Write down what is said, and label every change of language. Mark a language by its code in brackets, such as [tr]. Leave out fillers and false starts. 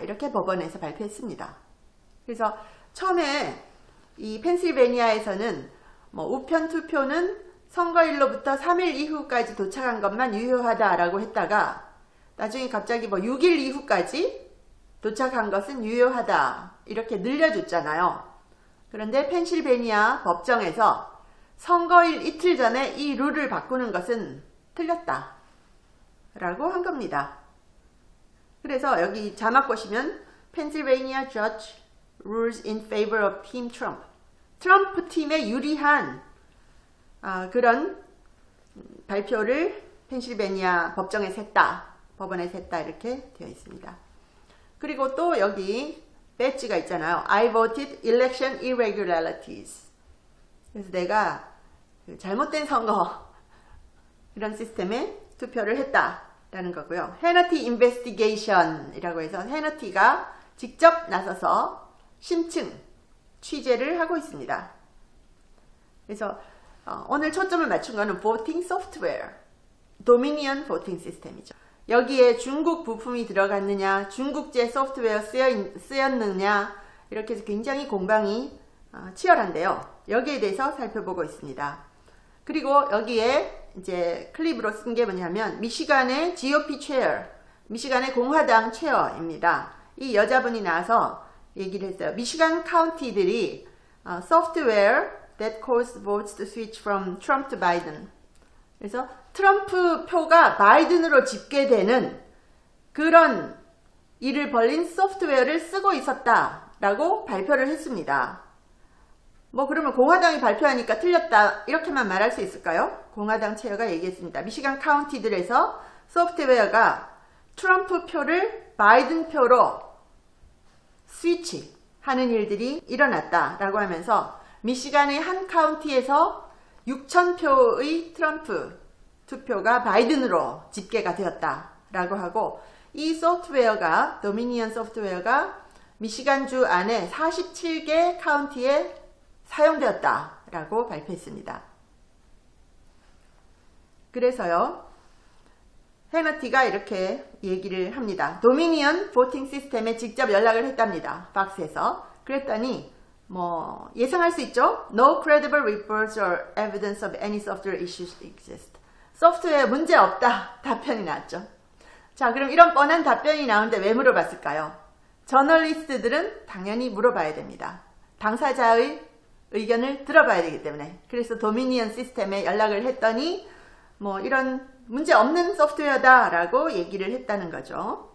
[ko] 이렇게 법원에서 발표했습니다. 그래서 처음에 이 펜실베니아에서는 우편투표는 선거일로부터 3일 이후까지 도착한 것만 유효하다라고 했다가 나중에 갑자기 6일 이후까지 도착한 것은 유효하다. 이렇게 늘려줬잖아요. 그런데 펜실베니아 법정에서 선거일 이틀 전에 이 룰을 바꾸는 것은 틀렸다 라고 한 겁니다. 그래서 여기 자막 보시면 [en] Pennsylvania Judge Rules in Favor of Team Trump. [ko] 트럼프 팀에 유리한 그런 발표를 펜실베니아 법원에서 했다 이렇게 되어 있습니다. 그리고 또 여기 배지가 있잖아요. [en] I voted election irregularities. [ko] 그래서 내가 잘못된 선거, 이런 시스템에 투표를 했다라는 거고요. 헤너티 인베스티게이션이라고 해서 헤너티가 직접 나서서 심층 취재를 하고 있습니다. 그래서 오늘 초점을 맞춘 거는 보팅 소프트웨어, 도미니언 보팅 시스템이죠. 여기에 중국 부품이 들어갔느냐, 중국제 소프트웨어 쓰였느냐, 이렇게 해서 굉장히 공방이 치열한데요. 여기에 대해서 살펴보고 있습니다. 그리고 여기에 이제 클립으로 쓴게 뭐냐면 미시간의 GOP 체어, 미시간의 공화당 체어입니다. 이 여자분이 나와서 얘기를 했어요. 미시간 카운티들이 [en] software that caused votes to switch from Trump to Biden. [ko] 그래서 트럼프 표가 바이든으로 집계되는 그런 일을 벌린 소프트웨어를 쓰고 있었다라고 발표를 했습니다. 뭐 그러면 공화당이 발표하니까 틀렸다 이렇게만 말할 수 있을까요? 공화당 체어가 얘기했습니다. 미시간 카운티들에서 소프트웨어가 트럼프 표를 바이든 표로 스위치하는 일들이 일어났다라고 하면서 미시간의 한 카운티에서 6,000표의 트럼프 투표가 바이든으로 집계가 되었다라고 하고 이 소프트웨어가 도미니언 소프트웨어가 미시간주 안에 47개 카운티에 사용되었다라고 발표했습니다. 그래서요. 해너티가 이렇게 얘기를 합니다. 도미니언 보팅 시스템에 직접 연락을 했답니다. 박스에서. 그랬더니 뭐 예상할 수 있죠? [en] No credible reports or evidence of any software issues exist. [ko] 소프트웨어 문제 없다. 답변이 나왔죠. 자, 그럼 이런 뻔한 답변이 나오는데 왜 물어봤을까요? 저널리스트들은 당연히 물어봐야 됩니다. 당사자의 의견을 들어봐야 되기 때문에. 그래서 도미니언 시스템에 연락을 했더니 뭐 이런 문제 없는 소프트웨어다 라고 얘기를 했다는 거죠.